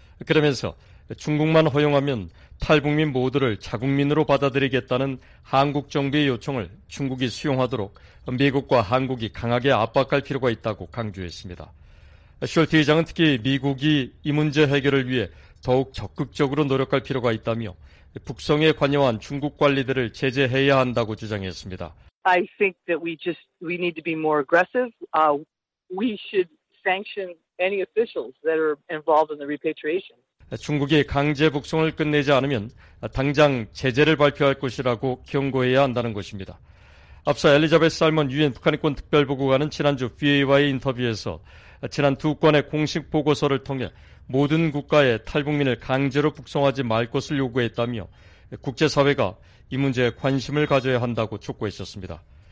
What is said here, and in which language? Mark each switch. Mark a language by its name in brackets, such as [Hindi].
[Korean] 그러면서 중국만 허용하면 탈북민 모두를 자국민으로 받아들이겠다는 한국 정부의 요청을 중국이 수용하도록 미국과 한국이 강하게 압박할 필요가 있다고 강조했습니다. 숄티 의장은 특히 미국이 이 문제 해결을 위해 더욱 적극적으로 노력할 필요가 있다며 북송에 관여한 중국 관리들을 제재해야 한다고 주장했습니다. [English] I think that we need to be more aggressive. We should sanction any officials that are involved in the repatriation. [Korean] 중국이 강제 북송을 끝내지 않으면 당장 제재를 발표할 것이라고 경고해야 한다는 것입니다. 앞서 엘리자베스 살먼 유엔 북한인권 특별보고관은 지난주 VOA와의 인터뷰에서 지난 두 건의 공식 보고서를 통해 모든 국가에 탈북민을 강제로 북송하지 말 것을 요구했다며 국제사회가 이 문제에 관심을 가져야 한다고 촉구했었습니다.